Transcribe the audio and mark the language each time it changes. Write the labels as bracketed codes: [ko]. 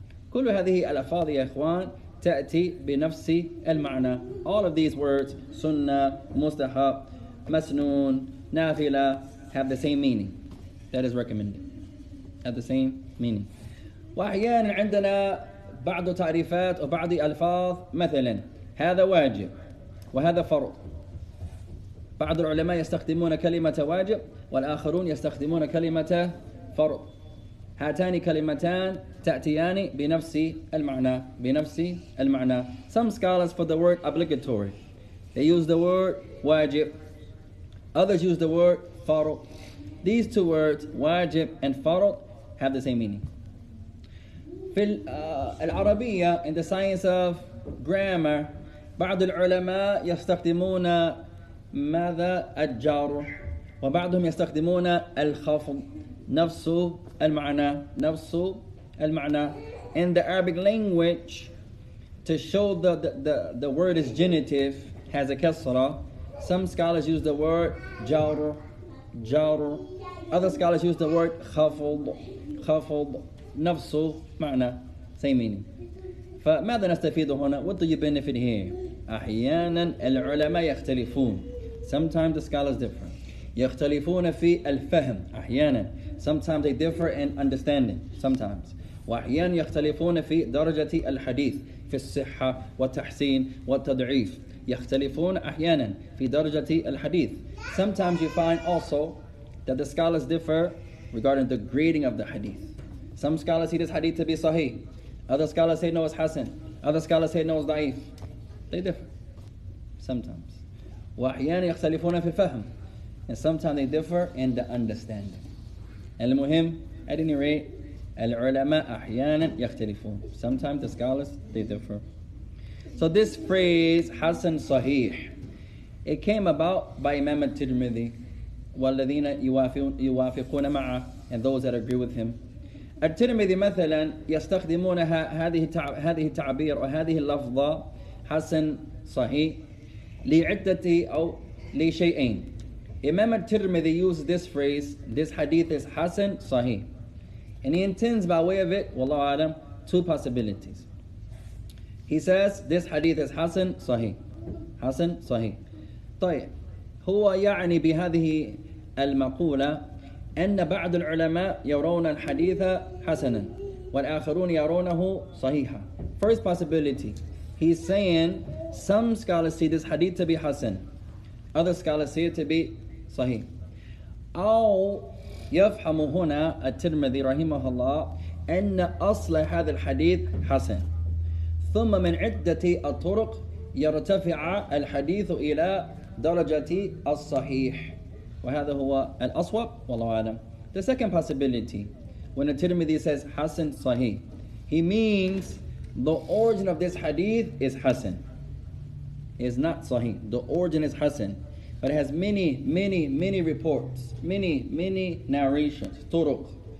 [ar] كل هذه الألفاظ يا إخوان تأتي بنفس المعنى. [en] All of these words, sunnah, mustahab, masnoon, nafila, have the same meaning. That is recommended. At the same meaning. [ar] وأحيانا عندنا بعض تعريفات وبعض الألفاظ مثلا هذا واجب وهذا فرض. بعض العلماء يستخدمون كلمة واجب والآخرون يستخدمون كلمة فرض. هاتان كلمتان تأتيان بنفس المعنى بنفس المعنى. [en] Some scholars for the word obligatory, they use the word واجب. Others use the word فرض. These two words, wajib and farad, have the same meaning. [ar] في العربية, [en] in the science of grammar, [ar] بعض العلماء يستخدمون ماذا الجار وبعضهم يستخدمون الخفض نفس المعنى نفس المعنى. [en] In the Arabic language, to show that the word is genitive, has a kasra, some scholars use the word جار جار. Other scholars use the word خفض خفض [ar] نفس معنى [en] same meaning. [ar] فماذا نستفيد هنا? [en] What do you benefit here? [ar] أحيانا العلماء يختلفون. [en] Sometimes the scholars differ. [ar] يختلفون في الفهم أحيانا. [en] Sometimes they differ in understanding. Sometimes. [ar] وأحيانا يختلفون في درجة الحديث في الصحة والتحسين والتضعيف. يختلفون أحيانا في درجة الحديث. [en] Sometimes you find also that the scholars differ regarding the grading of the hadith. Some scholars see this hadith to be sahih. Other scholars say no, it's hasan. Other scholars say no, it's da'if. They differ. Sometimes. [ar] وَأَحْيَانَ يَخْتَلِفُونَ فِي فَهْمٍ. [en] And sometimes they differ in the understanding. [ar] المهم, [en] at any rate, [ar] العلماء أحيانا يختلفون. [en] Sometimes the scholars, they differ. So this phrase, hasan sahih, it came about by Imam al-Tirmidhi. [ar] والذين يوافقون معه [en] and those that agree with him. [ar] الترمذي مثلا يستخدمون هذه التعبير أو هذه اللفظة حسن صحيح لعدة أو لشيئين. [en] إمام الترمذي used this phrase, this hadith is حسن صحيح, and he intends by way of it, [ar] والله أعلم, [en] two possibilities. He says this hadith is حسن صحيح, حسن صحيح. [ar] طيب هو يعني بهذه المقولة أن بعض العلماء يرون الحديث حسنا والآخرون يرونه صحيحا. [en] First possibility, he's saying some scholars see this hadith to be حسن, other scholars see it to be صحيح. [ar] أو يفهم هنا الترمذي رحمه الله أن أصل هذا الحديث حسن ثم من عدة الطرق يرتفع الحديث إلى درجة الصحيح وهذا هو الأصوب والله أعلم. [en] The second possibility, when the Tirmidhi says Hasan Sahih, he means the origin of this hadith is Hasan, is not Sahih. The origin is Hasan, but it has many, many, many reports, many, many narrations, Turuq.